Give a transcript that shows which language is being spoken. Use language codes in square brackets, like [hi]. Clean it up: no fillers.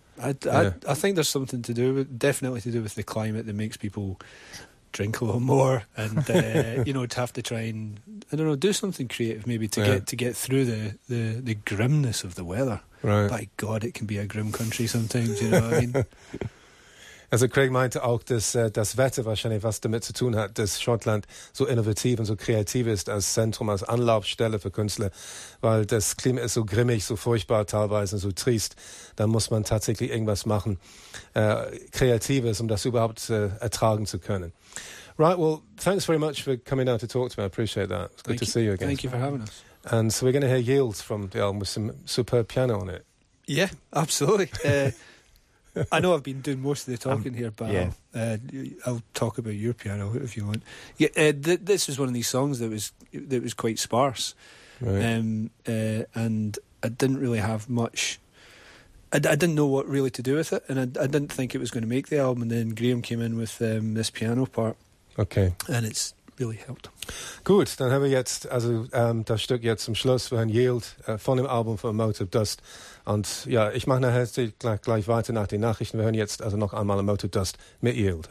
[en] I think there's something to do with, definitely to do with the climate that makes people drink a little more and you know, to have to try and, I don't know, do something creative maybe to get through the grimness of the weather. Right. By God, it can be a grim country sometimes, you know what I mean? [de] Also Craig meinte auch, dass das Wetter wahrscheinlich was damit zu tun hat, dass Schottland so innovativ und so kreativ ist als Zentrum, als Anlaufstelle für Künstler, weil das Klima ist so grimmig, so furchtbar teilweise, so triest. Da muss man tatsächlich irgendwas machen, Kreatives, um das überhaupt ertragen zu können. [en] Right, well, thanks very much for coming down to talk to me. I appreciate that. It's good to see you again. Thank you for having us. And so we're going to hear Yields from the album with some superb piano on it. Yeah, absolutely. I know I've been doing most of the talking here, but yeah. I'll talk about your piano if you want. Yeah, this was one of these songs that was quite sparse, right. And I didn't really have much. I didn't know what really to do with it, and I didn't think it was going to make the album. And then Graham came in with this piano part, okay, and it's really helped. [de] Gut, dann haben wir jetzt also das Stück jetzt zum Schluss von Yield von dem Album von Motive Dust. Und ja, ich mache nachher gleich weiter nach den Nachrichten. Wir hören jetzt also noch einmal Motive Dust mit Yield.